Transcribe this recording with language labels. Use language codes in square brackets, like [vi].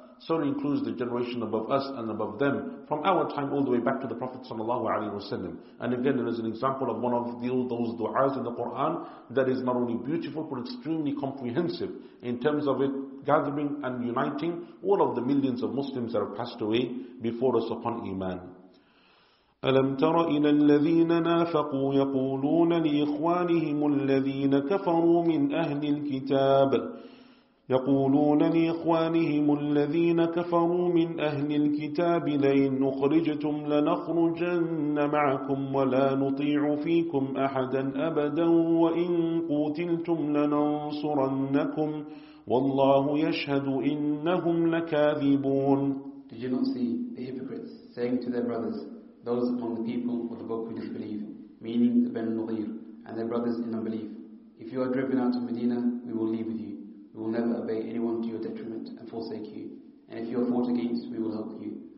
[en] So it includes the generation above us and above them, from our time all the way back to the Prophet sallallahu alaihi wasallam. And again, there is an example of one of those du'as in the Quran that is not only beautiful but extremely comprehensive in terms of it gathering and uniting all of the millions of Muslims that have passed away before us upon iman. [ar] ألم تر إلى الذين نافقوا يقولون لإخوانهم الذين كفروا من أهل الكتاب لئن أخرجتم لنخرجن معكم ولا نطيع فيكم أحدا أبدا وإن قوتلتم لننصرنكم والله يشهد إنهم لكاذبون. [en] Did you not see the hypocrites saying to their brothers, those among the people of the book who disbelieve, meaning the Ben Nadir, and their brothers in unbelief, if you are driven out of Medina, we will leave with you. We will never obey anyone to your detriment and forsake you. And if you are fought against, we will help you.